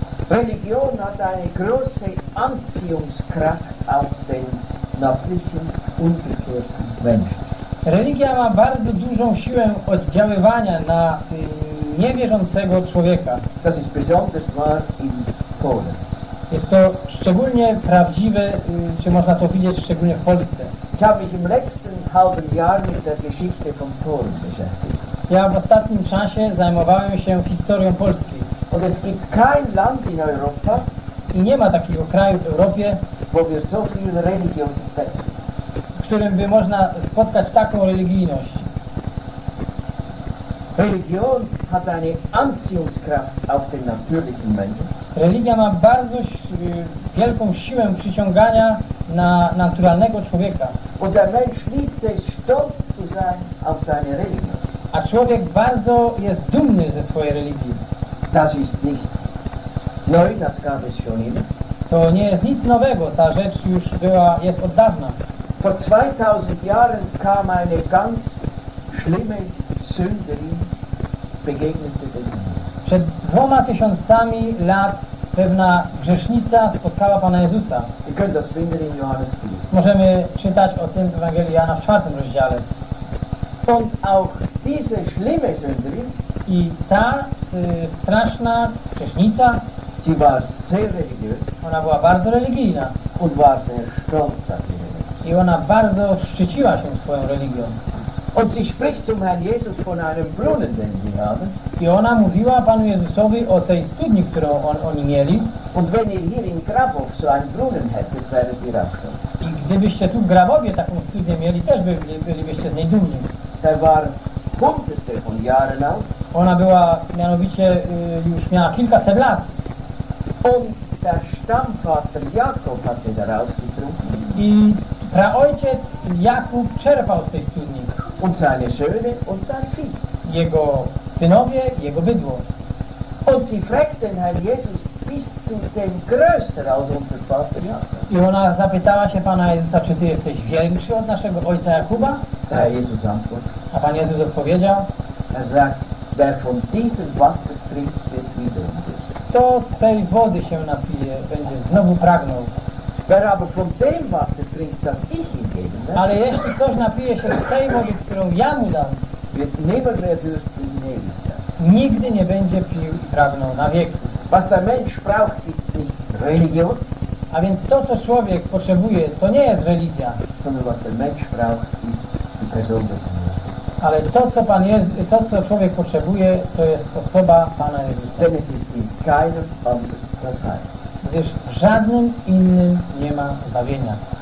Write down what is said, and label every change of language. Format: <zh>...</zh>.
<de>Religion hat eine große Anziehungskraft auf den natürlichen und gekürzten Menschen.</de> <pl>Religia ma bardzo dużą siłę oddziaływania na niewierzącego człowieka.</pl> <de>Das ist besonders wahr in Polen.</de> <pl>Jest to szczególnie prawdziwe, czy można to widzieć szczególnie w Polsce.</pl> <de>Ich habe mich im letzten halben Jahr mit der Geschichte von Polen beschäftigt.</de> <pl>Ja w ostatnim czasie zajmowałem się historią Polski.</pl> <de>Und es gibt kein Land in Europa,</de> <pl>i nie ma takiego kraju w Europie,</pl> <de>wo wir so viel Religion finden,</de> <pl>w którym by można spotkać taką religijność.</pl> <de>Religion hat eine Anziehungskraft auf den natürlichen Menschen.</de> <pl>Religia ma bardzo wielką siłę przyciągania na naturalnego człowieka.</pl> <de>Und der Mensch liebt es, stolz zu sein auf seine Religion.</de> <pl>A człowiek bardzo jest dumny ze swojej religii.</pl> <de>Das ist nicht neu, das gab es schon immer.</de> <pl>To nie jest nic nowego, ta rzecz już była, jest od dawna.</pl> <de>Vor 2000 Jahren kam eine ganz schlimme Sünderin begegnete dem Herrn.</de> <pl>Przed 2000 lat pewna grzesznica spotkała Pana Jezusa.</pl> <de>Wir können das finden in Johannes 4.</de> <pl>Możemy czytać o tym w Ewangelii Jana w 4 rozdziale.</pl> <de>Und auch diese schlimme Sünderin,</de> <pl>i ta straszna grzesznica,</pl> <de>sie war sehr religiös,</de> <pl>ona była bardzo religijna,</pl> <de>und war sehr stolz auf ihre Religion.</de> <pl>I ona bardzo szczyciła się swoją religią.</pl> <de>Und sie spricht zum Herrn Jesus von einem Brunnen, den sie haben.</de> <pl>I ona mówiła Panu Jezusowi o tej studni, którą oni mieli.</pl> <de>Und wenn ihr hier in Grabow so ein Brunnen hättet, wäret ihr auch so.</de> <pl>I gdybyście tu w Grabowie taką studnię mieli, też bylibyście z niej dumni.</pl> <de>Da war hunderte von Jahren alt.</de> <pl>Ona była, mianowicie, już miała kilkaset lat.</pl> <de>Und der Stammvater Jakob hatte daraus getrunken.</de> <pl>I praojciec Jakub czerpał z tej studni.</pl> <de>Und seine Söhne und sein Vieh.</de> <pl>Jego synowie, jego bydło.</pl> <de>Und sie fragt den Herrn Jesus, bist du denn größer als unser Vater Jakob?</de> <pl>I ona zapytała się Pana Jezusa, czy ty jesteś większy od naszego ojca Jakuba?</pl> <de>Da Jezus antwortet.</de> <pl>A Pan Jezus odpowiedział?</pl> <de>Er sagt, der von diesem Wasser trinkt, wird wieder dürstig.</de> <pl>Kto z tej wody się napije, będzie znowu pragnął.</pl> <de>Wer aber von dem Wasser trinkt, das ich ihm geben werde.</de> <pl>Ale jeśli ktoś napije się z tej wody, którą ja mu dam,</pl> <de>wird nimmer mehr dürstig, nie wieder.</de> <pl>Nigdy nie będzie pił i pragnął na wieki.</pl> <de>Was der Mensch braucht, ist nicht Religion.</de> <pl>A więc to, co człowiek potrzebuje, to nie jest religia.</pl> <de>Sondern was der Mensch braucht, ist die Person des Herrn.</de> <pl>Ale to, co Pan jest, to, co człowiek potrzebuje, to jest osoba Pana Jezusa. Gdyż w żadnym innym nie ma zbawienia.</pl>